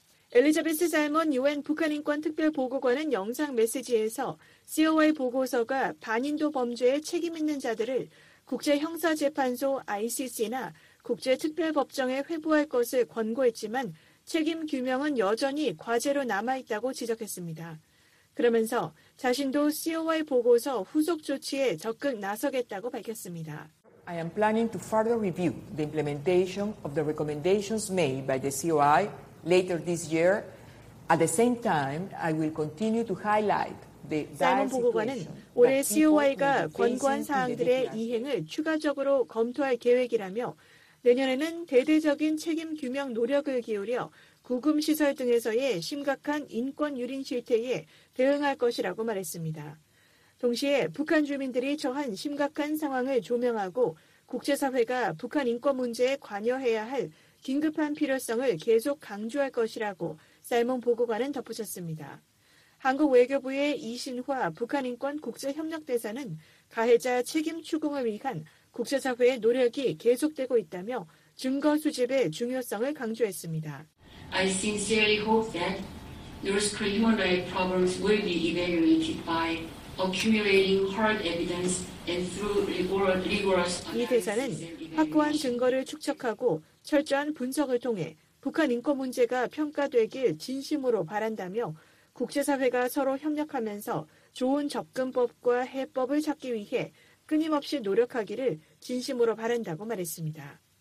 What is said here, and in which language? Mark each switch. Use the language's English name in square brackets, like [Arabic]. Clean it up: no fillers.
[Korean] 엘리자베스 살먼 유엔 북한인권특별보고관은 영상 메시지에서 COI 보고서가 반인도 범죄에 책임 있는 자들을 국제형사재판소 ICC나 국제특별법정에 회부할 것을 권고했지만 책임 규명은 여전히 과제로 남아있다고 지적했습니다. 그러면서 자신도 COI 보고서 후속 조치에 적극 나서겠다고 밝혔습니다. [English] I am planning to further review the implementation of the recommendations made by the COI later this year. At the same time, I will continue to highlight the dire situation. [Korean] 사이먼 보고관은 올해 COI가 권고한 사항들의 이행을 추가적으로 검토할 계획이라며 내년에는 대대적인 책임 규명 노력을 기울여 구금 시설 등에서의 심각한 인권 유린 실태에 대응할 것이라고 말했습니다. 동시에 북한 주민들이 처한 심각한 상황을 조명하고 국제사회가 북한 인권 문제에 관여해야 할 긴급한 필요성을 계속 강조할 것이라고 살몬 보고관은 덧붙였습니다. 한국 외교부의 이신화 북한인권국제협력대사는 가해자 책임 추궁을 위한 국제사회의 노력이 계속되고 있다며 증거 수집의 중요성을 강조했습니다. [English] I sincerely hope that North Korean human rights problems will be evaluated by accumulating hard evidence and through rigorous analysis. [Korean] 이 대사는 확고한 증거를 축적하고 철저한 분석을 통해 북한 인권 문제가 평가되길 진심으로 바란다며 국제사회가 서로 협력하면서 좋은 접근법과 해법을 찾기 위해 끊임없이 노력하기를 진심으로 바란다고 말했습니다.